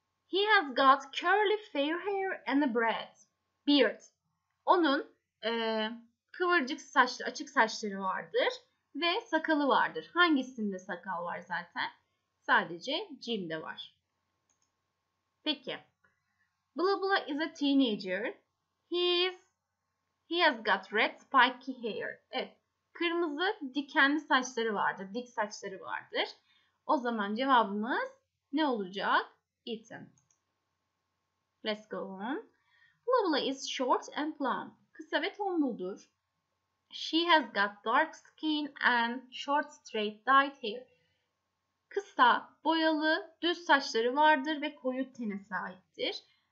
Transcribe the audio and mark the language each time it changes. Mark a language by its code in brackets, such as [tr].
[en] He has got curly fair hair and a beard. [tr] Onun kıvırcık saçlı, açık saçları vardır ve sakalı vardır. Hangisinde sakal var zaten? Sadece Jim'de var. Peki. [en] Blah blah is a teenager. He has got red spiky hair. [tr] Evet. Kırmızı dikenli saçları vardır. Dik saçları vardır. O zaman cevabımız ne olacak? Ethan. [en] Let's go on. Lovely is short and plump. [tr] Kısa ve tombuldur. [en] She has got dark skin and short straight dyed hair. [tr] Kısa, boyalı, düz saçları vardır ve koyu tene sahiptir.